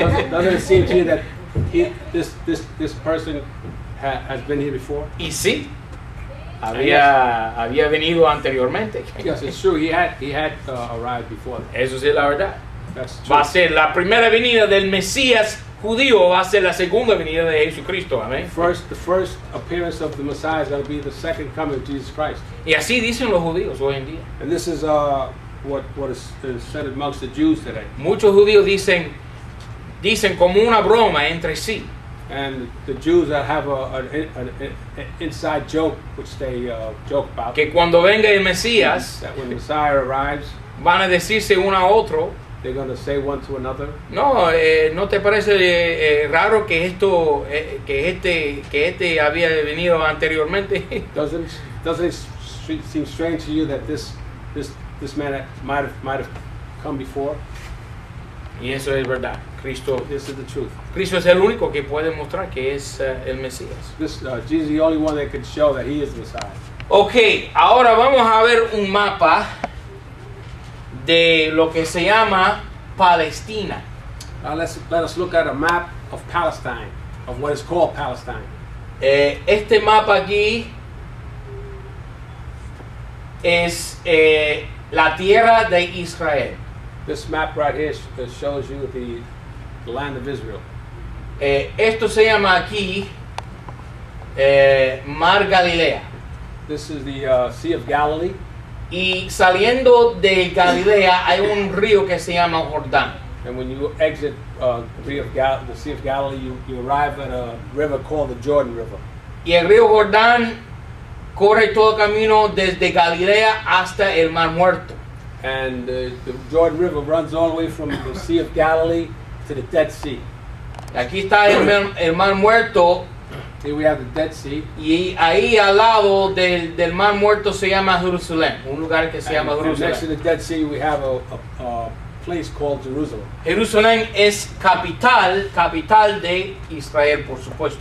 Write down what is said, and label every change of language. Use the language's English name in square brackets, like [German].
[English] doesn't it seem to you that this person has been here before? [Spanish] Y sí, había venido anteriormente. [English] Yes, it's true. He had arrived before. [Spanish] Eso sí es la verdad. [English] That's true. [Spanish] Va a ser la primera venida del Mesías judío. Va a ser la segunda venida de Jesucristo. Amén. [English] The first appearance of the Messiah is going to be the second coming of Jesus Christ. [Spanish] Y así dicen los judíos hoy en día. [English] And this is what is said amongst the Jews today. [Spanish] Muchos judíos dicen como una broma entre sí. [English] And the Jews have an inside joke which they joke about. [Spanish] Que cuando venga el Mesías, [English] that when the Messiah arrives, [Spanish] van a decirse uno a otro. [English] They're going to say one to another. [Spanish] No, ¿no te parece raro que esto, que este había venido anteriormente? [English] Doesn't it seem strange to you that this man might have come before? [Spanish] Y eso es verdad. Cristo. [English] This is the truth. [Spanish] Cristo es el único que puede mostrar que es el Mesías. [English] Jesus is the only one that can show that he is the Messiah. [Spanish] Okay, ahora vamos a ver un mapa de lo que se llama Palestina. [English] Let us look at a map of Palestine, of what is called Palestine. [Spanish] Este mapa aquí es la tierra de Israel. [English] This map right here shows you the land of Israel. [Spanish] Esto se llama aquí Mar Galilea. [English] This is the Sea of Galilee. [Spanish] Y saliendo de Galilea hay un río que se llama Jordán. [English] And when you exit the Sea of Galilee, you arrive at a river called the Jordan River. [Spanish] Y el río Jordán corre todo camino desde Galilea hasta el Mar Muerto. [English] And the Jordan River runs all the way from the Sea of Galilee to the Dead Sea. [Spanish] Aquí está el Mar Muerto. [English] Here we have the Dead Sea. [Spanish] Y ahí al lado del Mar Muerto se llama Jerusalén. Un lugar que se llama Jerusalén. [English] And next to the Dead Sea we have a place called Jerusalem. [Spanish] Jerusalén es capital de Israel, por supuesto.